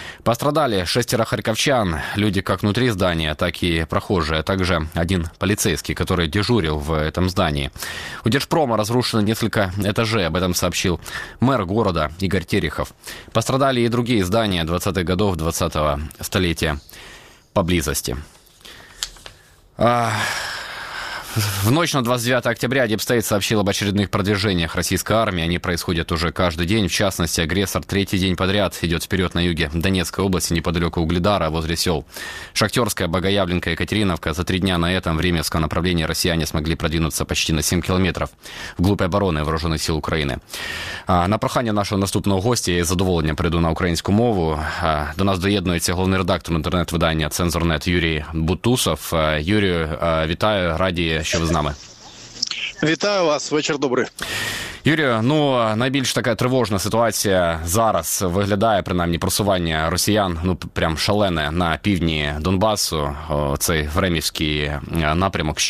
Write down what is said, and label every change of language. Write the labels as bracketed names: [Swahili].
[Russian] Пострадали 6 харьковчан, люди как внутри здания, так и прохожие, а также один полицейский, который дежурил в этом здании. У Держпрома разрушено несколько этажей, об этом сообщил мэр города Игорь Терехов. Пострадали и другие здания 20-х годов 20-го столетия поблизости. В ночь на 29 октября Deep State сообщил об очередных продвижениях российской армии. Они происходят уже каждый день. В частности, агрессор третий день подряд идет вперед на юге Донецкой области, неподалеку Угледара, возле сел Шахтерская, Богоявленка, Екатериновка. За три дня на этом Времевском направлении россияне смогли продвинуться почти на 7 километров вглубь обороны вооруженных сил Украины. [Ukrainian] На прохання нашого наступного гостя я із задоволенням прийду на українську мову. До нас доєднується головний редактор інтернет-видання «Цензорнет» Юрій Бутусов. Юрію, вітаю, раді, що ви з нами. Вітаю вас, вечір добрий. Юрію, ну, найбільш така тривожна ситуація зараз виглядає, принаймні, просування росіян, ну, прям шалене на півдні Донбасу, цей Времівський напрямок.